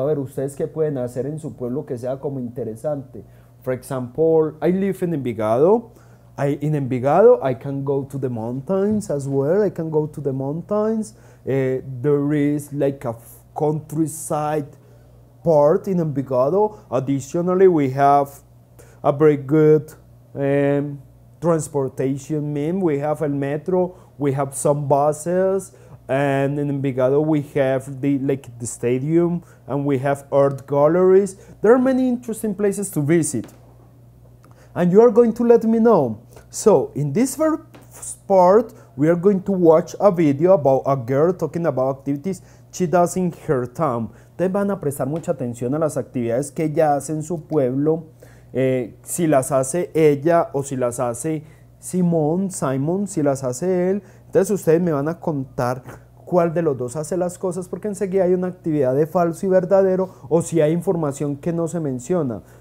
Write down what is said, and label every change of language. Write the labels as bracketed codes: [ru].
[es] A ver, ustedes qué pueden hacer en su pueblo que sea como interesante. [en] For example, I live in Envigado. In Envigado, I can go to the mountains as well. I can go to the mountains. There is like a countryside part in Envigado. Additionally, we have a very good transportation means. We have el metro, we have some buses, and in Envigado we have the stadium, and we have art galleries. There are many interesting places to visit, and you are going to let me know. So in this first part, we are going to watch a video about a girl talking about activities she does in her town. [es] Ustedes van a prestar mucha atención a las actividades que ella hace en su pueblo, si las hace ella o si las hace Simon, si las hace él. Entonces ustedes me van a contar cuál de los dos hace las cosas, porque enseguida hay una actividad de falso y verdadero o si hay información que no se menciona.